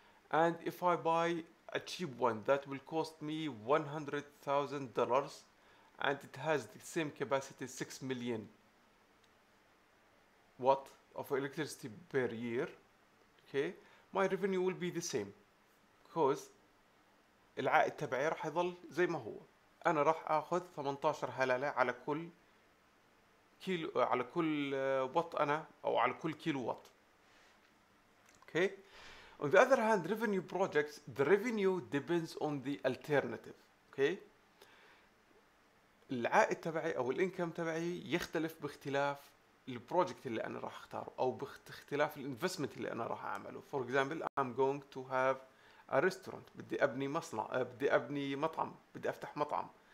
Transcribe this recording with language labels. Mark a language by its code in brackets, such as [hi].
[en] And if I buy a cheap one that will cost me $100,000 and it has the same capacity 6 million watt of electricity per year, okay, my revenue will be the same because [ar] العائد تبعي راح يظل زي ما هو. انا راح اخذ 18 هلالة على كل كيلو، على كل وات انا، او على كل كيلو وات. اوكي. [en] On the other hand, revenue projects, the revenue depends on the alternative. [ar] اوكي. العائد تبعي او الانكم تبعي يختلف باختلاف البروجكت اللي انا راح اختاره، او باختلاف الانفستمنت اللي انا راح اعمله. [en] For example, I'm going to have a restaurant. [ar] بدي ابني مصنع، بدي ابني مطعم، بدي افتح مطعم.